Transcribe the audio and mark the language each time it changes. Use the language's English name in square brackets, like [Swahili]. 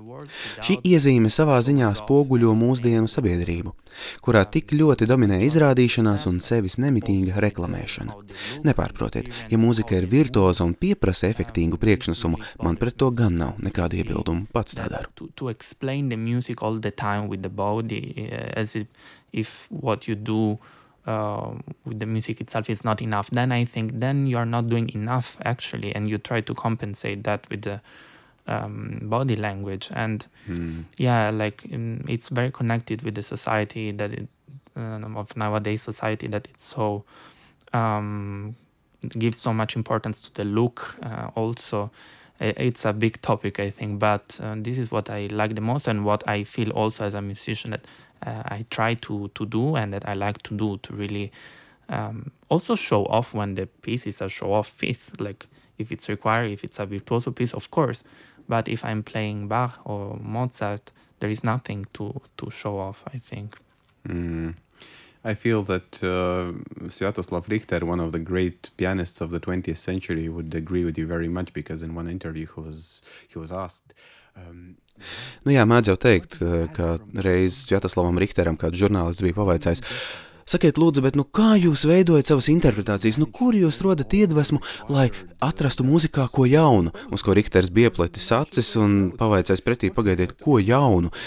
[Latvian] Šī iezīme savā ziņā spoguļo mūsdienu sabiedrību, kurā tik ļoti dominē izrādīšanās un sevis nemitīga reklamēšana. Nepārprotiet, ja mūzika ir virtuoza un pieprasa efektīgu priekšnesumu, man pret to gan nav nekāda iebilduma, pats tā daru. [English] To explain the music all the time with the body, as if what you do with the music itself is not enough, then I think then you are not doing enough actually, and you try to compensate that with the body language, and it's very connected with the society that it of nowadays, society that it's so gives so much importance to the look also, It's a big topic, I think, but this is what I like the most and what I feel also as a musician that I try to do and that I like to do, to really also show off when the piece is a show-off piece. Like, if it's required, if it's a virtuoso piece, of course. But if I'm playing Bach or Mozart, there is nothing to show off, I think. Mm. I feel that Sviatoslav Richter, one of the great pianists of the 20th century, would agree with you very much, because in one interview he was asked... [Latvian] Nu jā, mēdz jau teikt, ka reiz Sviatoslavam Richteram kāds žurnālists bija pavaicājis. Sakiet lūdzu, bet nu kā jūs veidojat savas interpretācijas? Nu kur jūs rodat iedvesmu, lai atrastu muzikā ko jaunu? Uz ko Richters bija pleti sacis un pavaicājis pretī pagaidiet, ko jaunu?